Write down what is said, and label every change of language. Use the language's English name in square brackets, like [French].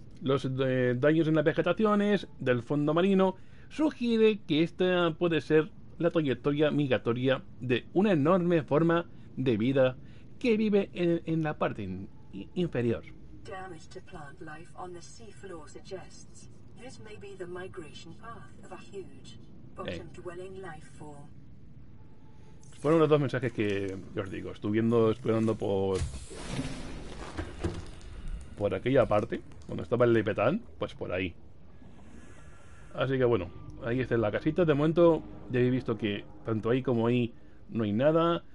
[Spanish] Los daños en las vegetaciones del fondo marino sugiere que esta puede ser la trayectoria migratoria de una enorme forma de vida que vive en la parte inferior. [English] Damage to plant life on the seafloor suggests this may be the migration path of a huge bottom-dwelling life form. [Spanish] Fueron los dos mensajes que os digo. Estuviendo explorando por aquella parte cuando estaba el Leviatán, pues por ahí. Así que bueno, ahí está la casita. De momento ya he visto que tanto ahí como ahí no hay nada.